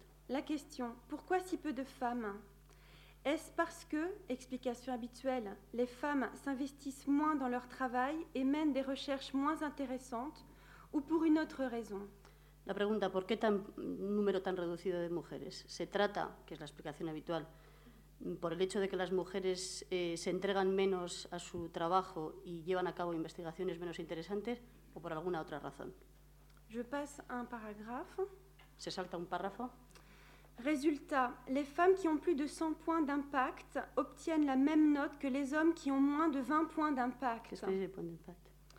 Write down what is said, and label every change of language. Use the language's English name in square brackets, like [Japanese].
[French] La question, pourquoi si peu de femmes? Est-ce parce que, explication habituelle, les femmes s'investissent moins dans leur travail et mènent des recherches moins intéressantes, ou pour une autre raison? [Spanish] La pregunta, ¿por qué tan número tan reducido de mujeres? Se trata, que es la explicación habitual, por el hecho de que las mujeres se entregan menos a su trabajo y llevan a cabo investigaciones menos interesantes, o por alguna otra razón. [French] Je passe un paragraphe. [Spanish] Se salta un párrafo. [French] Résultat, les femmes qui ont plus de 100 points d'impact obtiennent la même note que les hommes qui ont moins de 20 points d'impact. Qu'est-ce que j'ai, points d'impact?